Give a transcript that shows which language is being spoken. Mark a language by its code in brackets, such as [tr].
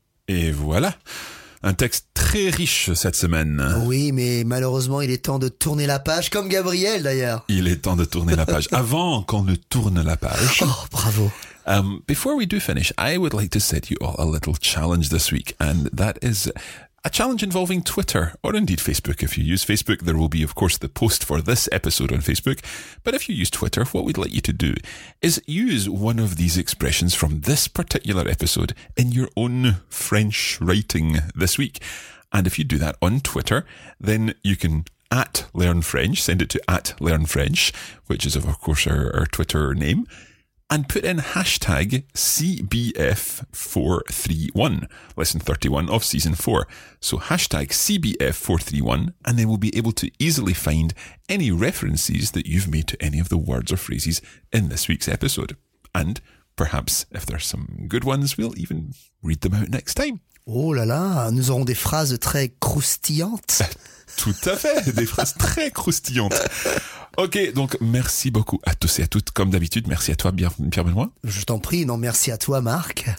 [fr] Et voilà, un texte très riche cette semaine. Oui, mais malheureusement, il est temps de tourner la page, comme Gabriel d'ailleurs. Il est temps de tourner la page avant qu'on ne tourne la page. Oh, bravo. [en] Before we do finish, I would like to set you all a little challenge this week, and that is a challenge involving Twitter, or indeed Facebook. If you use Facebook, there will be, of course, the post for this episode on Facebook. But if you use Twitter, what we'd like you to do is use one of these expressions from this particular episode in your own French writing this week. And if you do that on Twitter, then you can @LearnFrench, send it to @LearnFrench, which is, of course, our Twitter name, and put in #CBF431, lesson 31 of season 4. So #CBF431, and then we'll be able to easily find any references that you've made to any of the words or phrases in this week's episode. And perhaps if there's some good ones, we'll even read them out next time. [fr] Oh là là, nous aurons des phrases très croustillantes. Tout à fait, des phrases très croustillantes. Ok, donc merci beaucoup à tous et à toutes. Comme d'habitude, merci à toi, Pierre-Benoît. Je t'en prie, non, merci à toi, Marc.